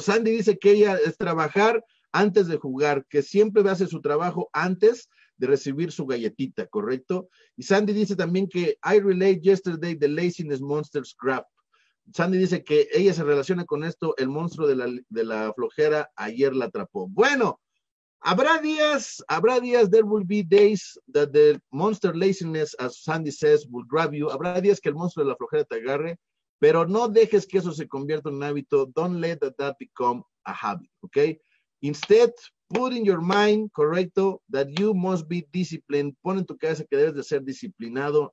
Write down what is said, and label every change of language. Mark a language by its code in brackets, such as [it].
[es] Sandy dice que ella es trabajar antes de jugar, que siempre hace su trabajo antes de recibir su galletita, ¿correcto? Y Sandy dice también que [en] I relate yesterday the laziness monster's crap. [es] Sandy dice que ella se relaciona con esto, el monstruo de la flojera ayer la atrapó. Bueno, habrá días, [en] there will be days that the monster laziness, as Sandy says, will grab you. [es] Habrá días que el monstruo de la flojera te agarre, pero no dejes que eso se convierta en un hábito. [en] Don't let that become a habit, ¿ok? Instead, put in your mind, correcto, that you must be disciplined. [es] Pon en tu cabeza que debes de ser disciplinado.